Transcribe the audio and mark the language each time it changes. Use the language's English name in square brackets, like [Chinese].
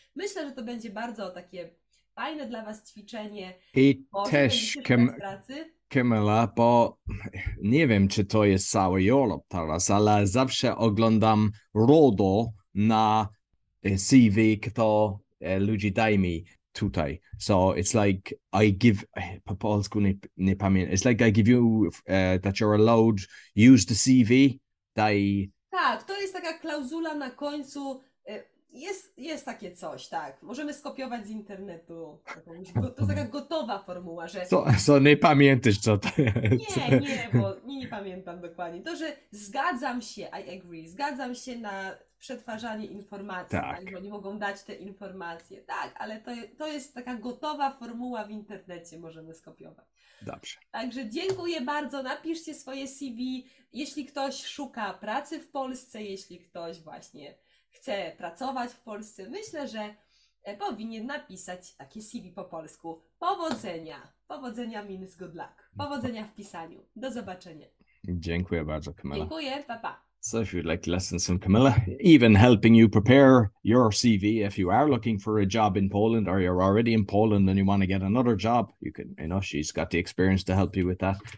[Polish] Myślę, że to będzie bardzo takie fajne dla Was ćwiczenie, I bo jeżeli też będziecie szukać pracy. Kamila, bo nie wiem, czy to jest cały Europe teraz, ale zawsze oglądam RODO na CV, kto ludzi daje mi tutaj. [English] So it's like I give, [Polish] po polsku nie pamiętam, [English] it's like I give you that you're allowed use the CV, daj. [Polish] Tak, to jest taka klauzula na końcu. Jest takie coś, tak. Możemy skopiować z internetu jakąś. To jest taka gotowa formuła, że. Co nie pamiętasz, co to jest? Nie, bo nie pamiętam dokładnie. To, że zgadzam się, [English] I agree, [Polish] zgadzam się na przetwarzanie informacji, tak, że Tak. oni mogą dać te informacje. Tak, ale to jest taka gotowa formuła w internecie, możemy skopiować. Dobrze. Także dziękuję bardzo. Napiszcie swoje CV. Jeśli ktoś szuka pracy w Polsce, jeśli ktoś właśnie chce pracować w Polsce, myślę, że powinien napisać takie CV po polsku. Powodzenia! Powodzenia, [English] means good luck. [Polish] Powodzenia w pisaniu. Do zobaczenia. Dziękuję bardzo, Kamila. Dziękuję. Pa, pa. [English] So, if you'd like lessons from Kamila, even helping you prepare your CV, if you are looking for a job in Poland or you're already in Poland and you want to get another job, you can, you know, she's got the experience to help you with that.